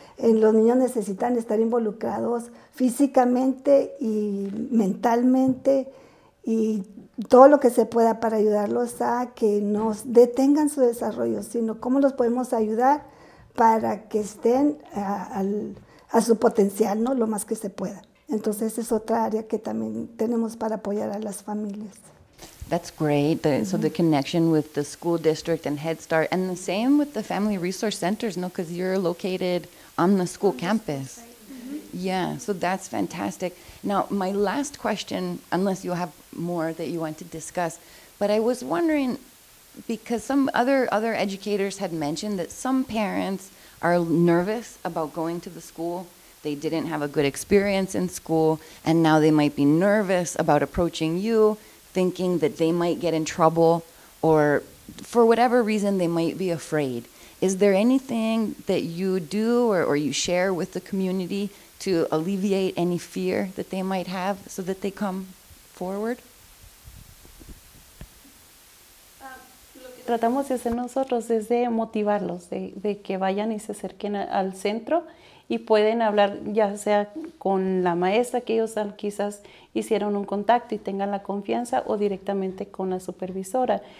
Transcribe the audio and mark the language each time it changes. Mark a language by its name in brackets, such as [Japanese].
[Spanish] Los niños necesitan estar involucrados físicamente y mentalmente y todo lo que se pueda para ayudarlos a que no detengan su desarrollo, sino cómo los podemos ayudar para que estén a su potencial, ¿no? Lo más que se pueda. Entonces, es otra área que también tenemos para apoyar a las familias. [English] That's great. So the connection with the school district and Head Start, and the same with the Family Resource Centers, ¿no? Because you're located on the school campus. Yeah, so that's fantastic. Now, my last question, unless you have more that you want to discuss, but I was wondering, because some other educators had mentioned that some parents are nervous about going to the school. They didn't have a good experience in school, and now they might be nervous about approaching you, thinking that they might get in trouble, or for whatever reason, they might be afraid. Is there anything that you do or you share with the community to alleviate any fear that they might have so that they come forward? [Spanish] Lo que tratamos de hacer nosotros es de motivarlos, de que vayan y se acerquen al centro y pueden hablar ya sea con la maestra que ellos quizás hicieron un contacto y tengan la confianza o directamente con la supervisora.